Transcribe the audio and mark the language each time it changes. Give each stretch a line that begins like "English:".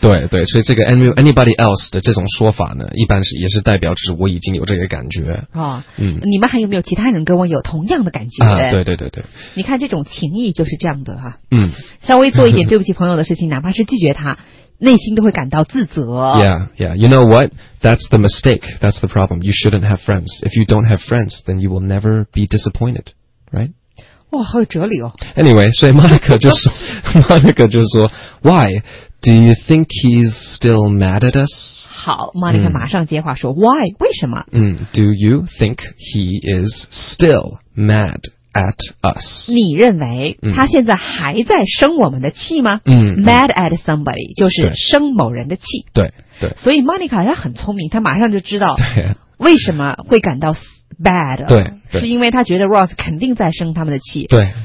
Chinese: 对对，所以这个
English: anybody else
Chinese: 的这种说法呢，一般是也是代表就是我已经有这个感觉你们还有没有其他人跟我有同样的感觉对对对对，你看这种情谊就是这样的哈。稍微做一点对不起朋友的事情，哪怕是拒绝他，内心都会感到自责。
English: Yeah, yeah. You know what? That's the mistake. That's the problem. You shouldn't have friends. If you don't have friends, then you will never be disappointed, right?
Chinese: 哇，好有哲理哦。
English: Anyway,
Chinese: 所以 Monica 就说Monica 就说
English: Why? Do you think he's still mad at us?
Chinese: 好， Monica 马上接话说
English: Why?
Chinese: 为什么？
English: Do you think he is still mad at us?
Chinese: 你认为他现在还在生我们的气吗？
English: Mad at somebody
Chinese: 就是生某人的气。对对，所以 Monica 也很聪明，他马上就知道为什么会感到
English: bad？
Chinese: 对，是因为他觉得 Ross 肯定在生他们的气。对，